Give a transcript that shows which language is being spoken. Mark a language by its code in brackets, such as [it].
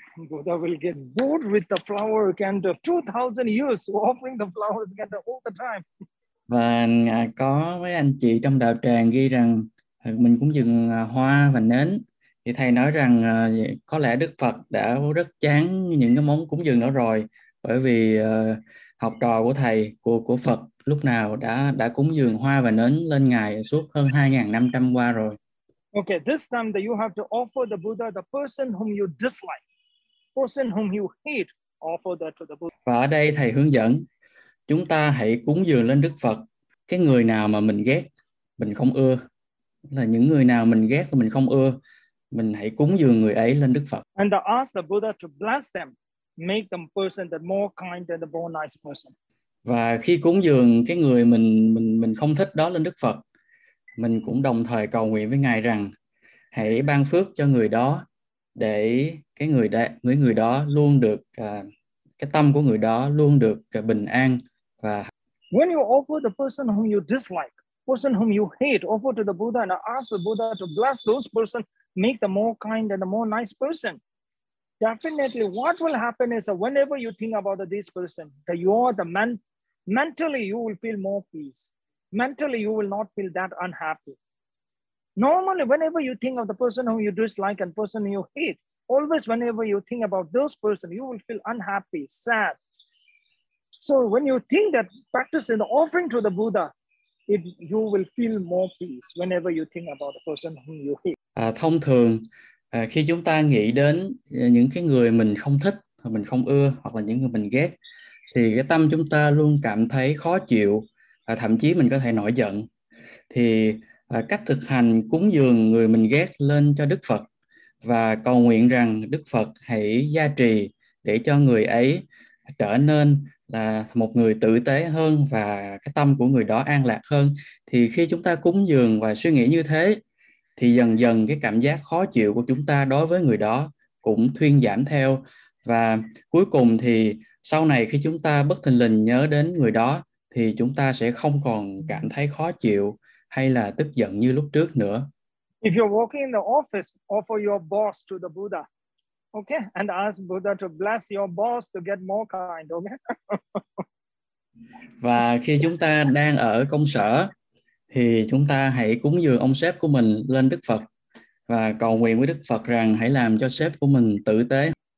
[en] Buddha will get bored with the flower candle. 2,000 years offering the flowers candle all the time. [vi] Và có mấy anh chị trong đạo tràng ghi rằng mình cũng dùng hoa và nến. Thì thầy nói rằng có lẽ Đức Phật đã rất chán những cái món cúng dường đó rồi. Bởi vì học trò của thầy, của Phật lúc nào đã cúng dường hoa và nến lên Ngài suốt hơn 2,500 qua rồi. [en] Okay, this time that you have to offer the Buddha the person whom you dislike. Person whom you hate, offer that to the Buddha. [vi] Và ở đây thầy hướng dẫn. Chúng ta hãy cúng dường lên Đức Phật cái người nào mà mình ghét, mình không ưa. Là những người nào mình ghét và mình không ưa, mình hãy cúng dường người ấy lên Đức Phật. [en] And ask the Buddha to bless them, make them person that more kind and the more nice person. [vi] Và khi cúng dường cái người mình không thích đó lên Đức Phật, mình cũng đồng thời cầu nguyện với Ngài rằng hãy ban phước cho người đó để cái người đó, người đó luôn được cái tâm của người đó luôn được bình an và. [en] When you offer the person whom you dislike, person whom you hate, offer to the Buddha and ask the Buddha to bless those person, make them more kind and a more nice person. Definitely, what will happen is whenever you think about this person, that you are the man, mentally you will feel more peace. Mentally, you will not feel that unhappy. Normally, whenever you think of the person whom you dislike and person you hate. Always, whenever you think about those person, you will feel unhappy, sad. So when you think that practice in the offering to the Buddha, it you will feel more peace whenever you think about the person whom you hate. [vi] Thông thường, khi chúng ta nghĩ đến những cái người mình không thích, mình không ưa, hoặc là những người mình ghét, thì cái tâm chúng ta luôn cảm thấy khó chịu, thậm chí mình có thể nổi giận. Thì cách thực hành cúng dường người mình ghét lên cho Đức Phật, và cầu nguyện rằng Đức Phật hãy gia trì để cho người ấy trở nên là một người tử tế hơn và cái tâm của người đó an lạc hơn. Thì khi chúng ta cúng dường và suy nghĩ như thế, thì dần dần cái cảm giác khó chịu của chúng ta đối với người đó cũng thuyên giảm theo. Và cuối cùng thì sau này khi chúng ta bất thình lình nhớ đến người đó, thì chúng ta sẽ không còn cảm thấy khó chịu hay là tức giận như lúc trước nữa. [en] If you're working in the office, offer your boss to the Buddha, okay? And ask Buddha to bless your boss to get more kind, okay? [vi] Và khi chúng ta đang ở công sở, thì chúng ta hãy cúng dường ông sếp của mình lên Đức Phật và cầu nguyện với Đức Phật rằng hãy làm cho sếp của mình tử tế.